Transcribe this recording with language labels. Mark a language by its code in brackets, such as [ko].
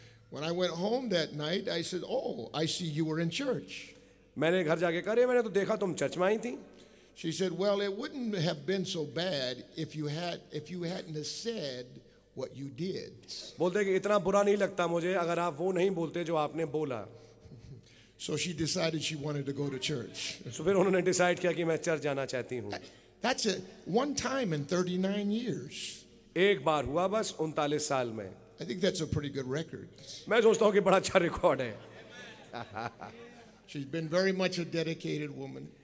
[en] When I went home that night, I said, oh, I see you were in church. [hi] मैंने घर जाके कहा मैंने तो देखा तुम चर्च में आई थी. [en] She said, well, it wouldn't have been so bad if you hadn't said what you did. [hi] बोलते कि इतना बुरा नहीं लगता मुझे अगर आप वो नहीं बोलते जो आपने बोला. [en] So she decided she wanted to go to church. [hi] So फिर उन्होंने डिसाइड किया कि मैं चर्च जाना चाहती हूँ. [en] That's it. One time in 39 years. [hi] एक बार हुआ बस 39 साल में. [en] I think that's a pretty good record. [hi] मैं सोचता हूँ कि बड़ा अच्छा रिकॉर्ड है. [en] She's been very much a dedicated woman.